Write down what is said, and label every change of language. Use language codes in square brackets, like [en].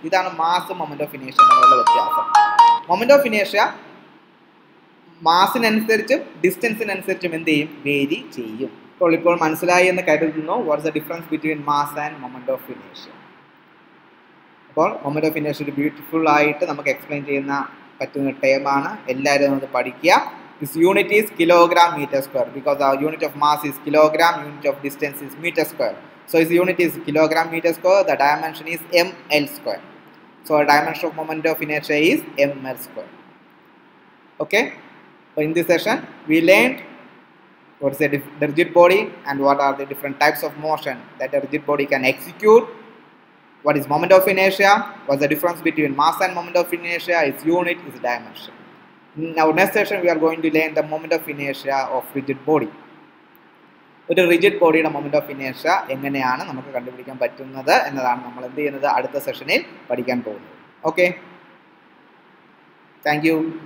[ml] ഇതാണ് mass moment of ഇനേഷ്യ തമ്മിലുള്ള വ്യത്യാസം. മൊമെന്റ് ഓഫ് ഇനേഷ്യ മാസിനനുസരിച്ചും ഡിസ്റ്റൻസിനനുസരിച്ചും എന്ത് ചെയ്യും? വേരി ചെയ്യും. അപ്പോൾ ഇപ്പോൾ മനസ്സിലായി എന്ന് കരുതുന്നു. [en] What's the difference between mass and moment of ഇനേഷ്യ? [ml] അപ്പോൾ മൊമെന്റ് ഓഫ് ഇനേഷ്യ ഒരു ബ്യൂട്ടിഫുൾ ആയിട്ട് നമുക്ക് എക്സ്പ്ലെയിൻ ചെയ്യുന്ന പറ്റുന്ന ടേമാണ്. എല്ലാവരും അത് പഠിക്കുക. [en] This unit is kilogram meter square, because our unit of mass is kilogram, unit of distance is meter square. So its unit is kilogram meter square, the dimension is ml square. So the dimension of moment of inertia is ml square. Okay, so in this session we learned what is a rigid body and what are the different types of motion that a rigid body can execute, what is moment of inertia, what is the difference between mass and moment of inertia, its unit, its dimension. In our next session, we are going to learn the moment of inertia of rigid body. [ml] ഒരു rigid ബോഡിയുടെ moment of ഇനേഷ്യ എങ്ങനെയാണ് നമുക്ക് കണ്ടുപിടിക്കാൻ പറ്റുന്നത് എന്നതാണ് നമ്മൾ എന്ത് ചെയ്യുന്നത്? അടുത്ത സെഷനിൽ പഠിക്കാൻ പോകുന്നത്. [en] Okay, thank you.